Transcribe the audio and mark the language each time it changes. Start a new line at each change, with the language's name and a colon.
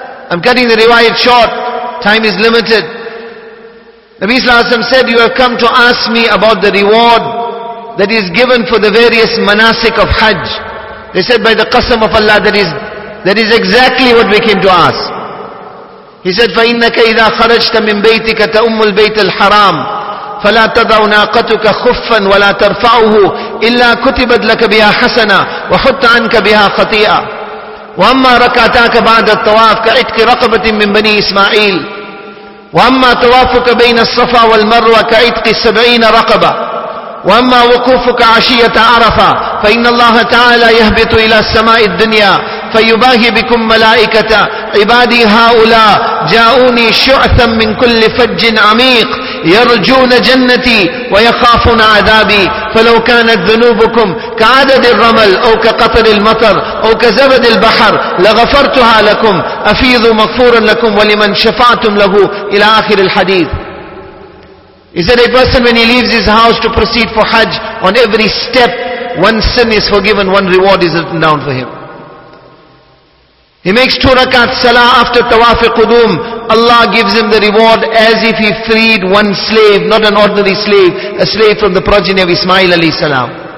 English: I'm cutting the riwayat short. Time is limited. Nabi sallallahu alaihi wasallam said, you have come to ask me about the reward that is given for the various manasik of Hajj. They said, by the qasam of Allah, that is exactly what we came to ask.
Arabic: He said, فَإِنَّكَ إِذَا خَرَجْتَ مِن بَيْتِكَ تَأُمُّ الْبَيْتَ الْحَرَامِ فَلَا تَضَعُ نَاقَتُكَ خُفًّا وَلَا تَرْفَعُهُ إِلَّا كُتِبَتْ لَكَ بِهَا حَسَنًا وَحُطَّ عَنْكَ بِهَا خَطِيئًا وَأَمَّا رَكَعْتَاكَ بَعْدَ الطَّوَافِ كَعِتْكِ رَقَبَةٍ مِّن بَنِي إِسْمَاعِيلَ وَأَمَّا طَوَافُكَ بَيْنَ الصَّفَا وَالْمَرْوَةِ كَعِتْكِ 70 رَقَبَةً واما وقوفك عشيه عرفه فان الله تعالى يهبط الى السماء الدنيا فيباهي بكم ملائكه عبادي هؤلاء جاءوني شعثا من كل فج عميق يرجون جنتي ويخافون عذابي فلو كانت ذنوبكم كعدد الرمل او كقطر المطر او كزبد البحر لغفرتها لكم افيضوا مغفورا لكم ولمن شفعتم له الى اخر الحديث.
English: He said, a person when he leaves his house to proceed for Hajj, on every step, one sin is forgiven, one reward is written down for him. He makes 2 rakat salah after tawaf-i qudum. Allah gives him the reward as if he freed one slave, not an ordinary slave, a slave from the progeny of Ismail alayhi salam.